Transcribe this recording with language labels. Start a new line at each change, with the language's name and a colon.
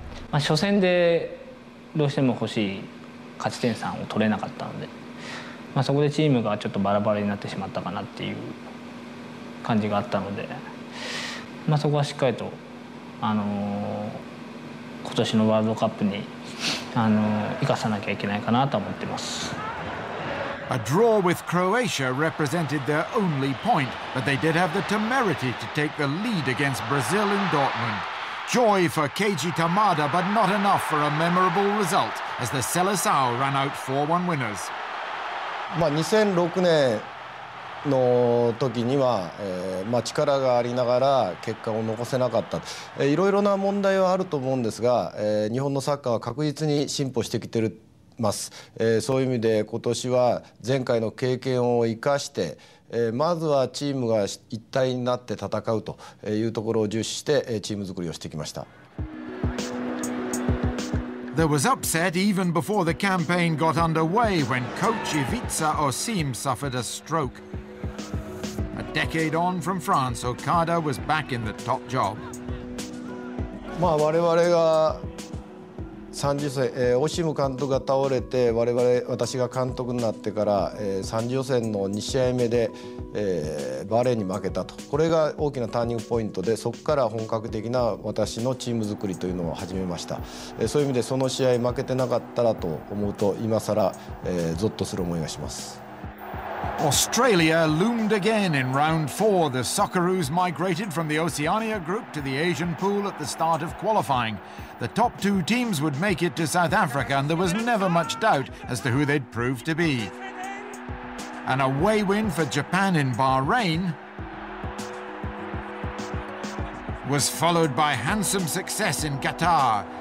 Japanese: まあ初戦でどうしても欲しい勝ち点3を取れなかったので、まあそこでチームがちょっとバラバラになってしまったかなっていう感じがあったので、まあそこはしっかりと今年のワールドカップに生かさなきゃいけないかなと思ってます。
English: A draw with Croatia represented their only point, but they did have the temerity to take the lead against Brazil in Dortmund. Joy for Keiji Tamada, but not enough for a memorable result as the Seleção ran out 4-1 winners.
Japanese: まあ2006年の時には、まあ力がありながら結果を残せなかった。いろいろな問題はあると思うんですが、日本のサッカーは確実に進歩してきてる。そういう意味で今年は前回の経験を生かして、まずはチームが一体になって戦うというところを重視してチーム作りをしてきました。
English: There was upset even before the campaign got underway when coach Ivica Osim suffered a stroke. A decade on from France, Okada was back in the top job.
Japanese: まあ我々が 30戦、オシム監督が倒れて私が監督になってから、30戦の2試合目で、バーレーンに負けたと。これが大きなターニングポイントで、そこから本格的な私のチーム作りというのを始めました。そういう意味でその試合負けてなかったらと思うと今更、ゾッとする思いがします。
English: Australia loomed again in round four. The Socceroos migrated from the Oceania group to the Asian pool at the start of qualifying. The top two teams would make it to South Africa, and there was never much doubt as to who they'd prove to be. An away win for Japan in Bahrain was followed by handsome success in Qatar.